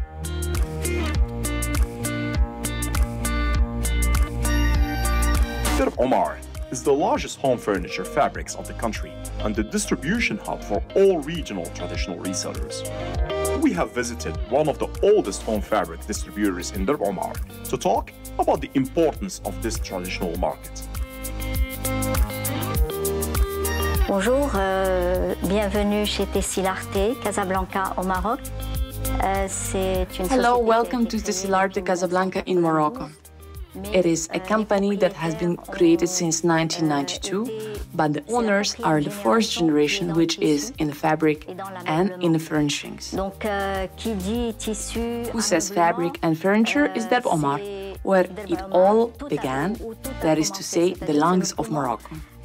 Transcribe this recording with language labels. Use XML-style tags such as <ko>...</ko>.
<en>Derb Omar is the largest home furniture fabrics of the country and the distribution hub for all regional traditional resellers. We have visited one of the oldest home fabric distributors in Derb Omar to talk about the importance of this traditional market.</en> <fr>Bonjour, bienvenue chez Tessil Arte, Casablanca, au Maroc.</fr> <en>Hello, welcome to Tessil Arte, Casablanca, in Morocco. It is a company that has been created since 1992, but the owners are the first generation, which is in the fabric and in the furnishings. Who says fabric and furniture is Derb Omar, where it all began, that is to say, the lungs of Morocco.</en>